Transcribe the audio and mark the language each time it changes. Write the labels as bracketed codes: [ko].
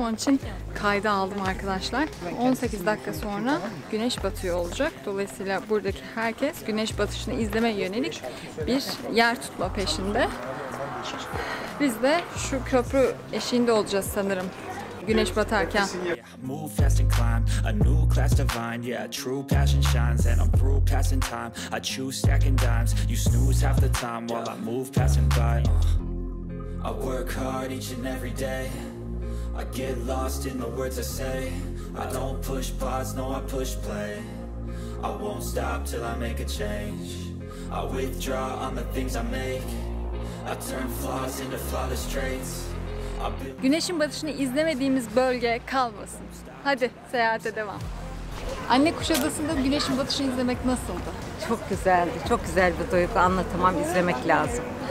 [tr] Onun için kayda aldım arkadaşlar. 18 dakika sonra güneş batıyor olacak. Dolayısıyla buradaki herkes güneş batışını izlemeye yönelik bir yer tutma peşinde. Biz de şu köprü eşiğinde olacağız sanırım. Güneş batarken. [en] Move fast and climb, a new class divine. Yeah, true passion shines, and I'm through passing time. I choose stacking dimes. You snooze half the time while I move passing by. I work hard each and every day. I get lost in the words I say. I don't push pause, no, I push play. I won't stop till I make a change. I withdraw on the things I make. I turn flaws into flawless traits. [tr] Güneşin batışını izlemediğimiz bölge kalmasın. Hadi seyahate devam. Anne Kuşadası'nda güneşin batışını izlemek nasıldı? Çok güzeldi. Çok güzel bir duygu. Anlatamam. İzlemek lazım.